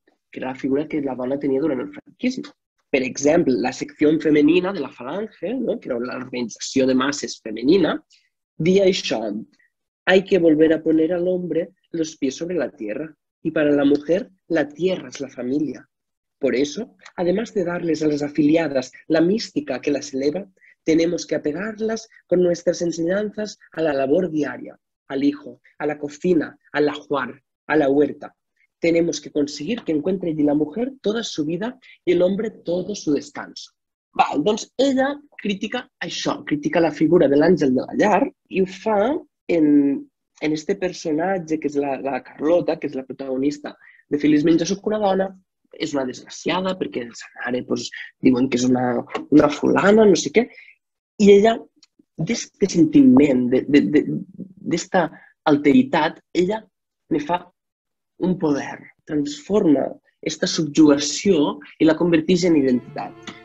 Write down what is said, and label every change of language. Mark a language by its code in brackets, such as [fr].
[ca] que era la figura que la dona tenia durant el franquisme. Per exemple, la secció femenina de la Falange, no? Que era l'organització de masses femenina, deia això: [es] hay que volver a poner al hombre los pies sobre la tierra. Y para la mujer, la tierra es la familia. Por eso, además de darles a las afiliadas la mística que las eleva, tenemos que apegarlas con nuestras enseñanzas a la labor diaria, al hijo, a la cocina, al ajuar, a la huerta. Tenemos que conseguir que encuentre allí la mujer toda su vida y el hombre todo su descanso. [ca] Val, doncs ella critica això, critica la figura de l'àngel de la llar i ho fa en este personatge que és la Carlota, que és la protagonista de Feliçment, jo sóc una dona, és una desgraciada perquè el senare pues, diuen que és una fulana, no sé què, i ella, d'aquest sentiment, d'esta alteritat, ella ne fa un poder, transforma aquesta subjugació i la converteix en identitat.